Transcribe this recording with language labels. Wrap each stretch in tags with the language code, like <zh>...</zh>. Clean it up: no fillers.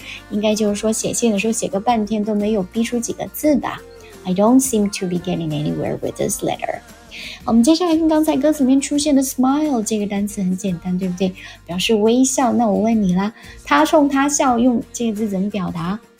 <zh>应该就是说写信的时候写个半天都没有逼出几个字吧。</zh> <en>I don't seem to be getting anywhere with this letter.</en> <zh>我们接下来跟刚才歌词里面出现的 smile 这个单词很简单，对不对？表示微笑。那我问你啦，他冲他笑用这个字怎么表达？</zh>